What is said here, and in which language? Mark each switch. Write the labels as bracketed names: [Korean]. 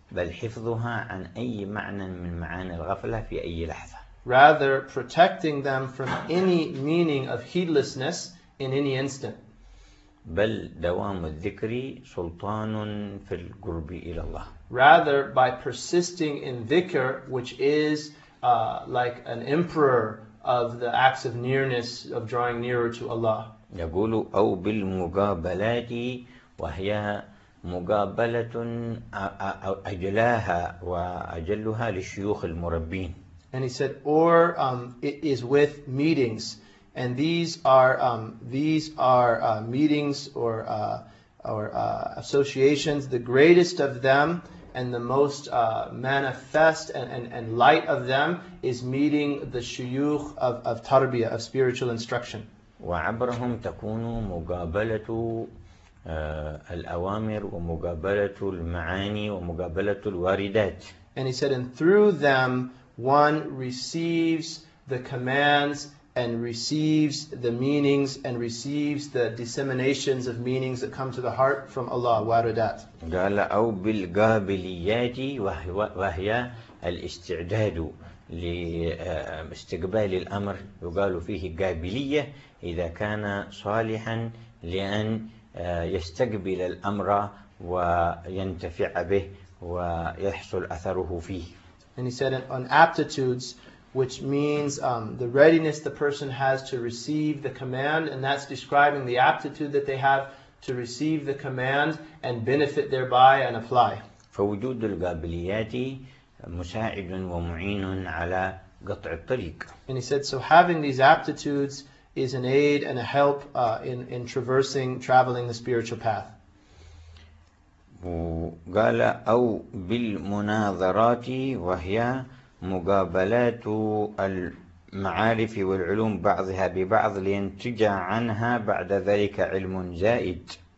[Arabic] بل حفظها عن أي معنى من معاني الغفلة في أي لحظة. [English] Rather, protecting them from any meaning of heedlessness in any instant. [Arabic] بل دوام الذكر سلطان في القرب إلى الله. [English] Rather, by persisting in dhikr, which is like an emperor of the acts of nearness, of drawing nearer to Allah. [Arabic] يقول أو بالمقابلات وهي مقابلة أجلاها وأجلها للشيوخ المربين. [English] And he said, or it is with meetings, and these are meetings or associations, the greatest of them and the most manifest and light of them is meeting the shuyukh of tarbiyah, of spiritual instruction. [Arabic] وعبرهم تكون مقابلة الأوامر ومقابلة المعاني ومقابلة الواردات. [English] And he said, and through them one receives the commands and receives the meanings and receives the disseminations of meanings that come to the heart from Allah, واردات. [Arabic] قال أو بالقابليات وهي الاستعداد لاستقبال الأمر يقال فيه قابلية إذا كان صالحا لأن يستقبل الأمر وينتفع به ويحصل أثره فيه. [English] And he said on aptitudes, which means the readiness the person has to receive the command, and that's describing the aptitude that they have to receive the command and benefit thereby and apply. [Arabic] فوجود القابليات مساعد ومعين على قطع الطريق. [English] And he said, so having these aptitudes is an aid and a help in traveling the spiritual path. [Arabic] قال أو بالمناظرات وهي مقابلات المعارف والعلوم بعضها ببعض لينتج عنها بعد ذلك علم زائد.